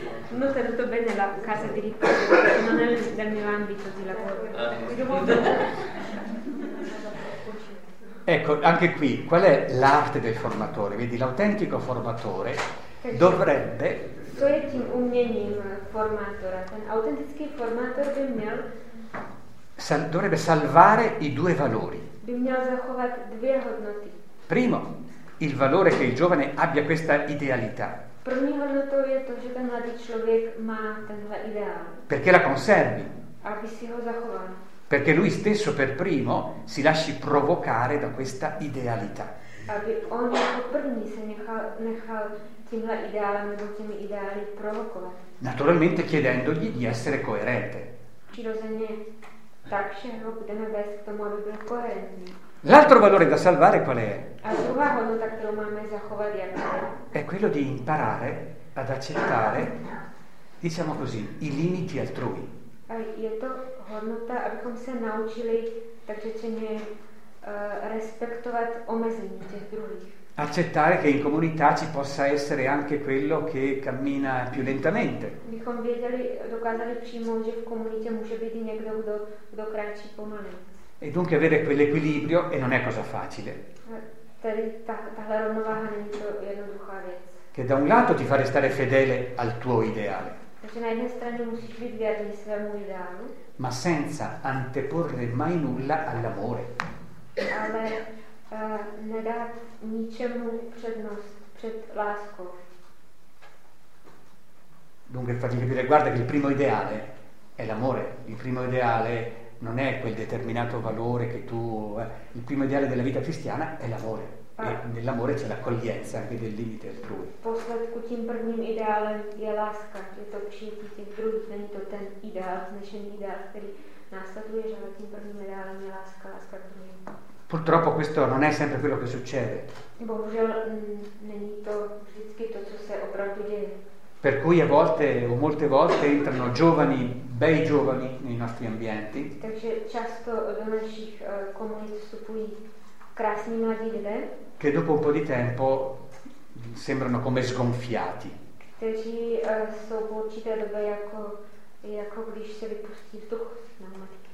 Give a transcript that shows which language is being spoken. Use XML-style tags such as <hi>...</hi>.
<it>Non sei tutto bene la casa di riposo, non è nel mio ambito di lavoro. Ecco, anche qui, qual è l'arte del formatore? Vedi, l'autentico formatore dovrebbe...</it> <cs>Co je tím uměním formátora? Ten autentický formátor by měl...</cs> <it>Dovrebbe salvare i due valori.</it> <cs>By měl zachovat dvě hodnoty.</cs> <it>Primo, il valore che il giovane abbia questa idealità.</it> <cs>První hodnotou je to, že ten mladý člověk má tenhle ideál.</cs> <it>Perché la conservi.</it> <cs>Aby si ho zachoval.</cs> <it>Perché lui stesso per primo si lasci provocare da questa idealità.</it> <cs>Aby on jako první se nechal tímhle ideálem nebo těmi ideály provokovat.</cs> <it>Naturalmente chiedendogli di essere coerente.</it> <cs>Přirozeně tak, že ho budeme vést k tomu, aby byl coerentní.</cs> <it>L'altro valore da salvare qual è?</it> <cs>A druhá hodnota, kterou máme zachovat, je</cs> <it>È quello di imparare ad accettare, diciamo così, i limiti altrui.</it> <cs>A je to hodnota, abychom se naučili, tak řečeně, respektovat omezení těch druhých.</cs> <it>Accettare che in comunità ci possa essere anche quello che cammina più lentamente.</it> <cs>Bychom věděli, dokázali přijmout, že v komunitě může být někdo, kdo kráčí pomalej.</cs> <it>E dunque avere quell'equilibrio e non è cosa facile.</it> <cs>Tedy tahle rovnováha není to jednoduchá věc.</cs> <it>Che da un lato ti fa restare fedele al tuo ideale.</it> <cs>Takže na jedné straně musíš být věrný svému ideálu.</cs> <it>Ma senza anteporre mai nulla all'amore.</it> <cs>Ale nedat ničemu přednost před láskou.</cs> <it>Dunque fatti capire, guarda che il primo ideale è l'amore. Il primo ideale non è quel determinato valore che tu... Il primo ideale della vita cristiana è l'amore. E nell'amore c'è l'accoglienza anche del limite altrui.</it> <cs>Posledku tím prvním ideálem je láska. Je to přijetí těch druhých, není to ten ideál, vznešený ideál, který následuje, že tím prvním ideálem je láska, láska k druhým.</cs> <it>Purtroppo questo non è sempre quello che succede.</it> <cs>Bohužel není to vždycky to, co se opravdu děje.</cs> <it>Per cui a volte o molte volte entrano giovani, bei giovani nei nostri ambienti.</it> <cs>Takže často do našich komunit vstupují krásní mladí lidé.</cs> <it>Che dopo un po' di tempo sembrano come sgonfiati.</it> <cs>Kteří jsou po určité době jako když se vypustí vzduch pneumatiky.</cs>